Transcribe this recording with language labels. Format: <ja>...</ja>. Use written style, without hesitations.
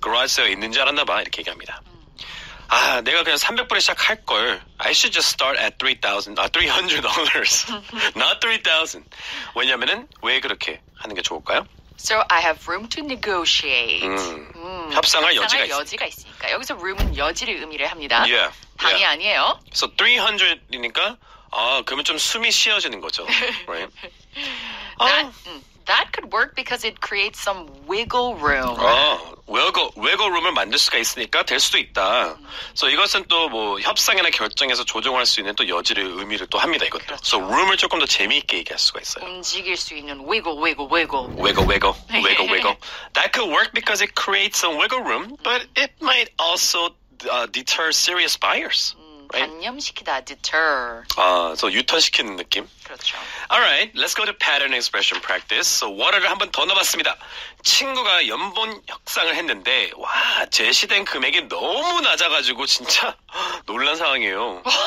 <ko>그래서 garage sale 있는 줄 알았나 봐 이렇게 얘기합니다. 아 내가 그냥 300불에 시작할 걸</ko> <en>I should just start at $300 not 3,000</en> <ko>왜냐면은 왜 그렇게 하는 게 좋을까요?</ko> <en>So I have room to negotiate.</en> <ko>협상할 여지가, 있으니까. 여기서 room은 여지를 의미를 합니다.</ko> <en>Yeah.</en> <ko>방이</ko> <en>yeah.</en> <ko>아니에요. So 300이니까 그러면 좀 숨이 쉬어지는 거죠.</ko> <en>Right? That could work because it creates some wiggle room.</en> <ko>웨거 룸을 만들 수가 있으니까 될 수도 있다. So 이것은 또 뭐 협상이나 결정에서 조정할 수 있는 또 여지를 의미를 또 합니다. 이것도. 그렇죠. So 룸을 조금 더 재미있게 얘기할 수가 있어요. 움직일 수 있는 wiggle.</ko> <en>Wiggle. That could work because it creates some wiggle room, but it might also deter serious buyers. Right?</en> <ko>단념시키다, deter. 아, so 유턴시키는 느낌? 그렇죠.</ko> <en>Alright, let's go to pattern expression practice. So water를</en> <ko>한번 더 넣어봤습니다. 친구가 연봉 협상을 했는데 와, 제시된 금액이 너무 낮아가지고 진짜 놀란 상황이에요.</ko>